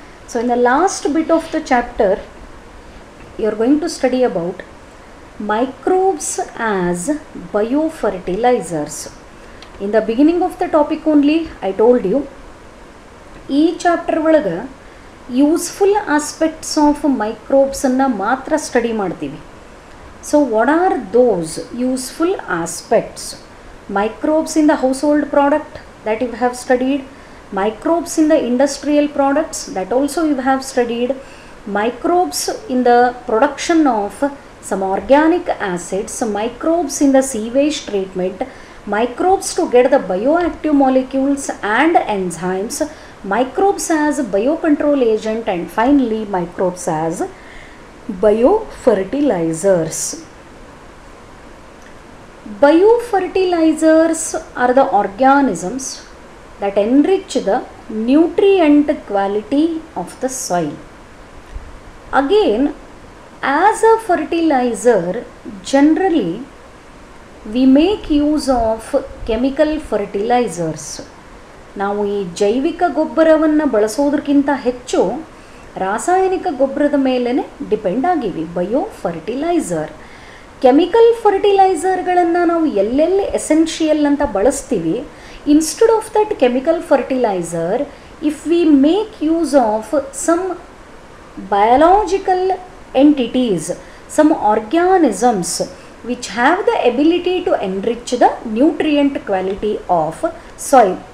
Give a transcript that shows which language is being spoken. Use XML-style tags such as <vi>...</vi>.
<en>So in the last bit of the chapter, you are going to study about microbes as biofertilizers. In the beginning of the topic only, I told you</en> <kn>ಈ chapter ಒಳಗೆ useful aspects of ಮೈಕ್ರೋಬ್ಸನ್ನು ಮಾತ್ರ study ಮಾಡ್ತೀವಿ.</kn> <en>So what are those useful aspects? Microbes in the household product, that you have studied. Microbes in the industrial products, that also you have studied. Microbes in the production of some organic acids, microbes in the sewage treatment, microbes to get the bioactive molecules and enzymes, microbes as biocontrol agent, and finally microbes as biofertilizers. Biofertilizers are the organisms that enrich the nutrient quality of the soil. Again, as a fertilizer, generally we make use of chemical fertilizers.</en> <kn>ನಾವು ಈ ಜೈವಿಕ ಗೊಬ್ಬರವನ್ನು ಬಳಸೋದಕ್ಕಿಂತ ಹೆಚ್ಚು ರಾಸಾಯನಿಕ ಗೊಬ್ಬರದ ಮೇಲೇ depend ಆಗಿವಿ, bio fertiliser. Chemical ಫರ್ಟಿಲೈಸರ್ಗಳನ್ನು ನಾವು ಎಲ್ಲೆಲ್ಲಿ ಎಸೆನ್ಷಿಯಲ್ ಅಂತ ಬಳಸ್ತೀವಿ,</kn> <en>Instead of that chemical fertiliser, if we make use of some biological entities, some organisms which have the ability to enrich the nutrient quality of soil.</en>